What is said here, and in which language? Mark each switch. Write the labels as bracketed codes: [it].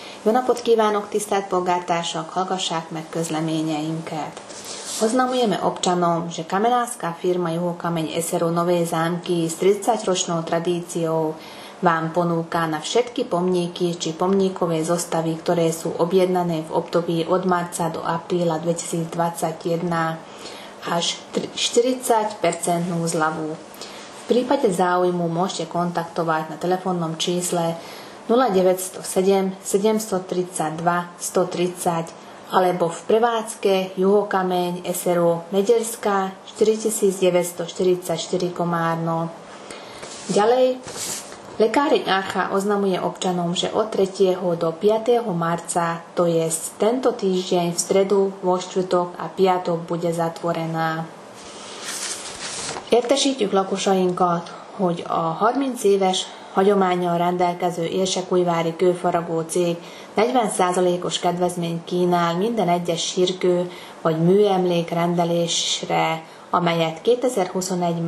[hu] Jónapot kívánok, tisztelt polgártársak, hallgassák meg közleményeinket. [sk] Oznamujeme občanom, že kamenárska firma Juhokameň SRO Nové zámky s 30-ročnou tradíciou vám ponúka na všetky pomníky či pomníkové zostavy, ktoré sú objednané v období od marca do apríla 2021 až 40% zľavu. V prípade záujmu môžete kontaktovať na telefónnom čísle 0907 732 130 alebo v prevádzke Juhokameň SRO Mederská 4944 Komárno. Ďalej, lekáreň Archa oznamuje občanom, že od 3. do 5. marca, to je tento týždeň v stredu, vo štvrtok a piatok bude zatvorená. [hu] Értesítjük lakosainkat, hogy a 30 éves hagyománnyal rendelkező érsekújvári kőfaragó cég 40%-os kedvezmény kínál minden egyes sírkő vagy műemlék rendelésre, amelyet 2021.